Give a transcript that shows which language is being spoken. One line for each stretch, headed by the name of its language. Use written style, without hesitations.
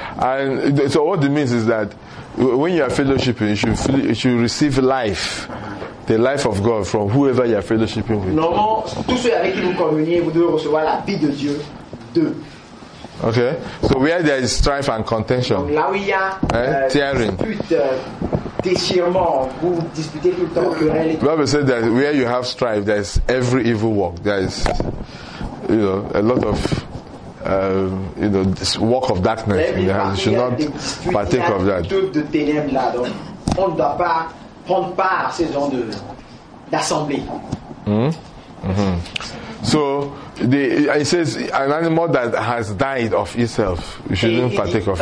English: And so what it means is that when you are fellowshipping, you should receive life, the life of God from whoever you are fellowshipping with.
French: Normalement, tous ceux avec qui vous communiez, vous devez recevoir la vie de Dieu de.
English: Okay. So where there is strife and contention.
French: Là où il y a
English: tearing.
French: Déchirement, vous disputez tout le temps.
English: Bible said that where you have strife, there is every evil work. There is, you know, a lot of, you know, this work of darkness. You should not partake of that.
French: Tout de ténèbres là, donc on ne doit pas prendre part à ces gens de d'assemblée.
English: So the it says an animal that has died of itself, you shouldn't partake of it.